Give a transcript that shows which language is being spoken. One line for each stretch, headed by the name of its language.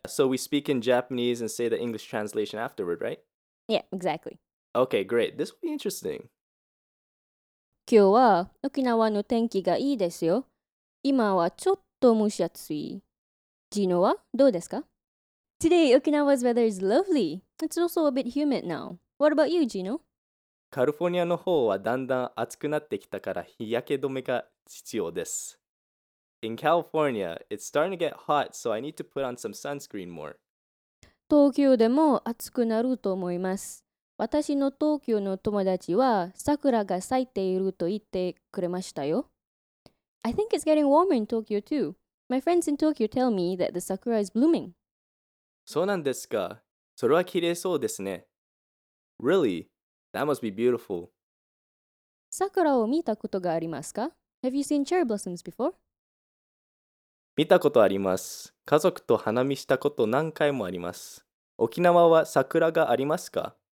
English: So we speak in Japanese and say the English translation afterward, right? Yeah, exactly. Okay, great. This will be interesting.
Japanese: 今日は沖縄の天気がいいですよ。今はちょっと蒸し暑い。ジノはどうですか?
English: Today, Okinawa's weather is lovely. It's also a bit humid now. What about you, Gino?
Japanese: California の方はだんだん暑くなってきたから日焼け止めが必要です。
English: In California, it's starting to get hot, so I need to put on some sunscreen more.
Japanese: 東京でも暑くなると思います。私の東京の友達は桜が咲いていると言ってくれましたよ。
English: I think it's getting warmer in Tokyo too. My friends in Tokyo tell me that the sakura is blooming.
Japanese: そうなんですか。それは綺麗そうですね。
English: Really? That must be beautiful.
Japanese: 桜を見たことがありますか?
English: Have you seen cherry blossoms before?
Japanese: 見たことあります。家族と花見したこと何回もあります。沖縄は桜がありますか?